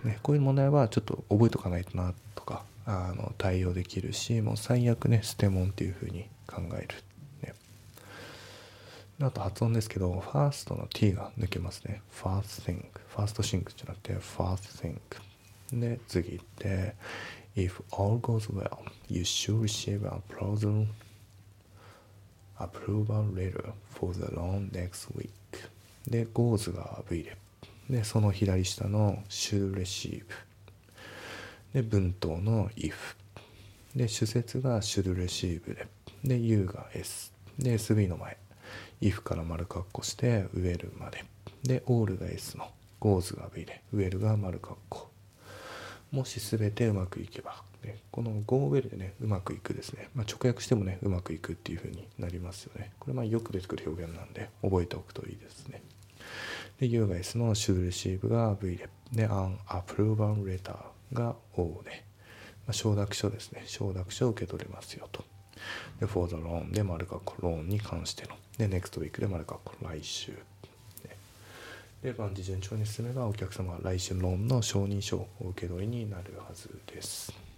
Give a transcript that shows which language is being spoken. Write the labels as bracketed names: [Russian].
[Japanese] ね、こういう問題はちょっと覚えとかないとなとか、対応できるし、もう最悪ね、捨て物っていうふうに考える、ね。あと発音ですけど、ファーストの T が抜けますね。ファーストシング。ファーストシングじゃなくて、ファーストシング。 [English] で、次行って、If all goes well, you should receive a proposal. Approval letter for the loan next week. [Japanese] で、goes が V で。で、その左下の should receive。で、文頭の if。で、主節が should receive で。で、U が S。で、SV の前。 if から丸括弧して、will まで。で、all が S の。goes が V で。will が丸括弧。もしすべてうまくいけば。ね、この Go Well でね、うまくいくですね。まあ、直訳してもね、うまくいくっていう風になりますよね。これはまあよく出てくる表現なんで、覚えておくといいですね。で、U が S の Should Receive が V で。 で、An Approval Letter が O で。まあ、承諾書ですね。承諾書を受け取れますよと。で、For the Loan で丸括弧、Loan に関しての。で、Next Week で丸括弧、来週。で、万事順調に進めば、お客様は来週ローンの承認書を受け取りになるはずです。